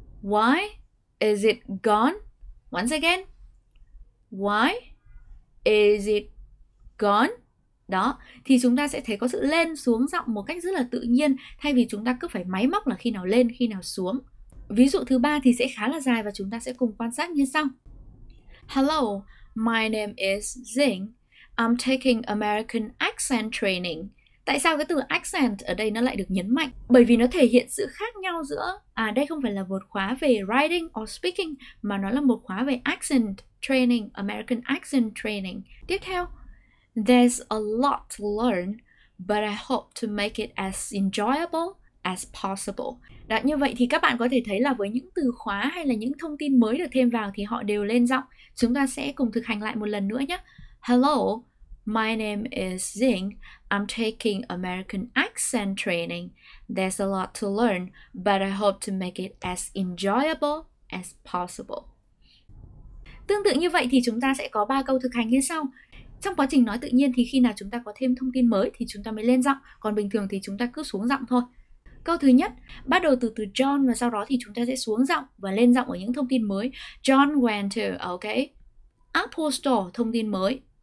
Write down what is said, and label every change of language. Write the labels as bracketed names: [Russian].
[English] Why is it gone? Once again. Why is it gone? [Vietnamese] Đó, thì chúng ta sẽ thấy có sự lên xuống giọng một cách rất là tự nhiên, thay vì chúng ta cứ phải máy móc là khi nào lên, khi nào xuống. Ví dụ thứ ba thì sẽ khá là dài và chúng ta sẽ cùng quan sát như sau. [English] Hello, my name is Zing. I'm taking American accent training. [Vietnamese] Tại sao cái từ accent ở đây nó lại được nhấn mạnh? Bởi vì nó thể hiện sự khác nhau giữa đây không phải là một khóa về [English] writing or speaking, [Vietnamese] mà nó là một khóa về accent training, [English] American accent training. [Vietnamese] Tiếp theo, [English] there's a lot to learn, but I hope to make it as enjoyable as possible. [Vietnamese] Đã như vậy thì các bạn có thể thấy là với những từ khóa hay là những thông tin mới được thêm vào thì họ đều lên giọng. Chúng ta sẽ cùng thực hành lại một lần nữa nhé. [English] Hello, my name is Zing. I'm taking American accent training. There's a lot to learn, but I hope to make it as enjoyable as possible. [Vietnamese] Tương tự như vậy thì chúng ta sẽ có 3 câu thực hành như sau. Trong quá trình nói tự nhiên thì khi nào chúng ta có thêm thông tin mới thì chúng ta mới lên giọng, còn bình thường thì chúng ta cứ xuống giọng thôi. Câu thứ nhất, bắt đầu từ John và sau đó thì chúng ta sẽ xuống giọng và lên giọng ở những thông tin mới. [English] John went to, okay? Apple Store, [Vietnamese] thông tin mới.